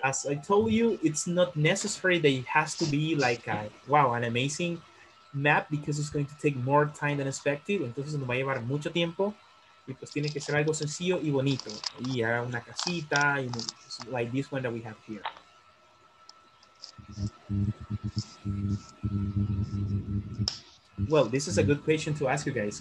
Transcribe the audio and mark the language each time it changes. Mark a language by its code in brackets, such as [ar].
[en] As I told you, it's not necessary that it has to be like a, wow, an amazing map because it's going to take more time than expected. [es] Entonces nos va a llevar mucho tiempo. Y pues tiene que ser algo sencillo y bonito. Y haga una casita, y, [en] like this one that we have here. Well, this is a good question to ask you guys.